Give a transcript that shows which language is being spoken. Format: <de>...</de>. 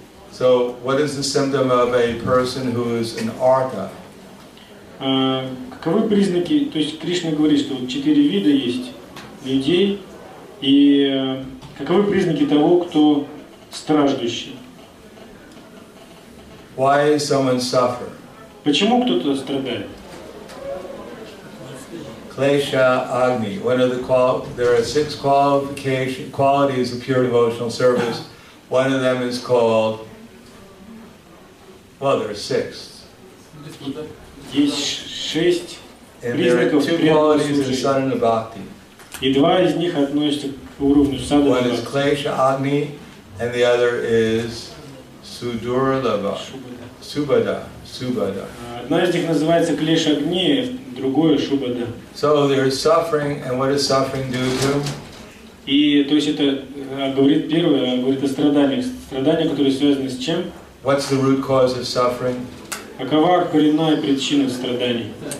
<en>So, what is the symptom of a person who is an arta?</en> <ru>Каковы признаки, то есть Кришна говорит, что четыре вида есть людей, и каковы признаки того, кто страждущий?</ru> <en>Why is someone suffer?</en> <ru>Почему кто-то страдает? Клеша агни.</ru> <en>One of the there are six qualities of pure devotional service. One of them is called. Well, there are six.</en> <ru>Есть шесть признаков преданного служения. И два из них относятся к уровню саддана</ru> <en>бхакти. One is клеша агни, and the other is судурлаба.</en> <ru>Субада. Одна из них называется клеша агни, другое шубада.</ru> <en>So there is suffering, and what is suffering due to?</en> <ru>И то есть это говорит первое, говорит о страданиях. Страдания, которые связаны с чем?</ru> <en>What's the root cause of suffering?</en> <ru>Какова коренная причина страданий?</ru>